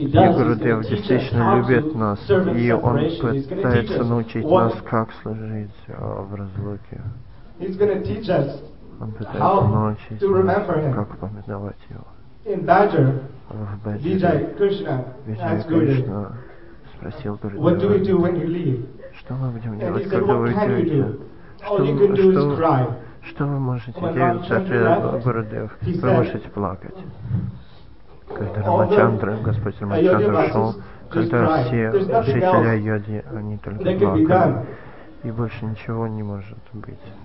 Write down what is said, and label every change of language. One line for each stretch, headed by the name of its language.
Russian: И Гурудев действительно любит нас, и он пытается научить нас, как служить в разлуке. Он пытается научить нас, как помидовать его.
English: in Badger, Vijay Krishna asked Guru, what do we do when you leave? And he said, what can you do? All you can do is cry.
Russian: Что вы можете делать, Господь Рамачандра? Вы можете плакать. Когда Рамачандра, Господь Рамачандра шел, когда все жители Айодхи, они только плакали, и больше ничего не может быть.